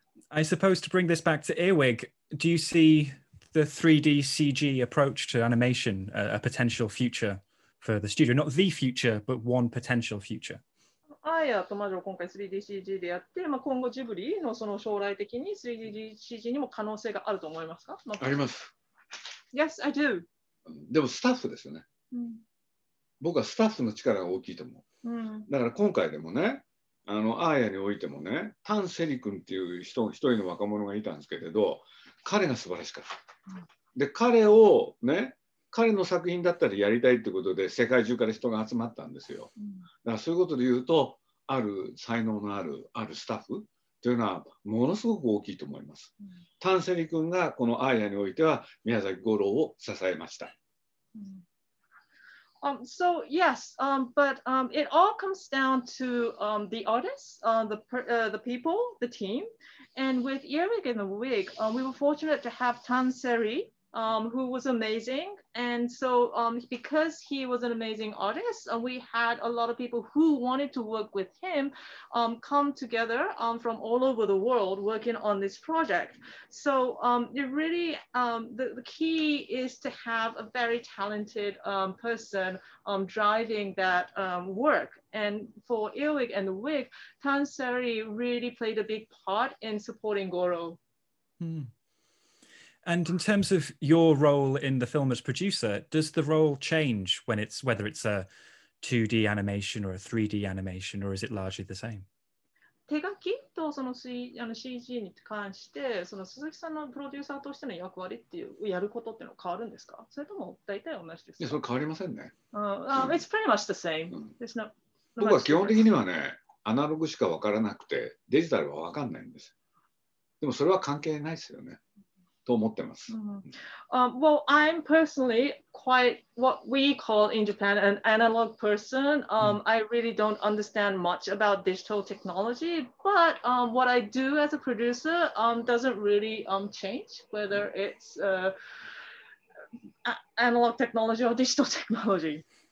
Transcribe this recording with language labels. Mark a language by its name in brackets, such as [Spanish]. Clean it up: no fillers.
[English] I suppose to bring this back to Earwig, do you see the 3D CG approach to animation a potential future for the studio? Not the future, but one potential future. [Japanese] アイアと魔女を今回 3DCG でやって、まあ、今後ジブリのその将来的に 3DCG にも可能性があると思いますか？あります。 [English] Yes, I do. [Japanese] でもスタッフですよね。うん、僕はスタッフの力が大きいと思う。うん、だから今回でもね、あのアーヤにおいてもね、タン・セリ君っていう人、一人の若者がいたんですけれど、彼が素晴らしかった。うん、で、彼をね、彼の作品だったらやりたいってことで世界中から人が集まったんですよ。だからそういうことで言うと、ある才能のあるスタッフというのはものすごく大きいと思います。タンセリ君がこのアーヤにおいては宮崎吾朗を支えました。 [English] So yes, but it all comes down to the artists, the people, the team. And with Earwig and the Wig, we were fortunate to have Tan Seri. Who was amazing. And so because he was an amazing artist, we had a lot of people who wanted to work with him come together from all over the world working on this project. So it really, the key is to have a very talented person driving that work. And for Earwig and the Wig, Tan Seri really played a big part in supporting Goro. Hmm. And in terms of your role in the film as producer, does the role change when it's, whether it's a 2D animation or a 3D animation, or is it largely the same? [Japanese] 手書きとその CG に関して、その鈴木さんのプロデューサーとしての役割っていう、やることっていうのは変わるんですか？それとも大体同じですか？いや、それ変わりませんね。 [English] It's pretty much the same. There's no, [Japanese] no 僕は基本的にはね、アナログしか分からなくて、デジタルは分かんないんです。でもそれは関係ないですよね。と思ってます。 [English] Well, I'm personally quite what we call in Japan an analog person. I really don't understand much about digital technology, but what I do as a producer doesn't really change whether it's analog technology or digital technology.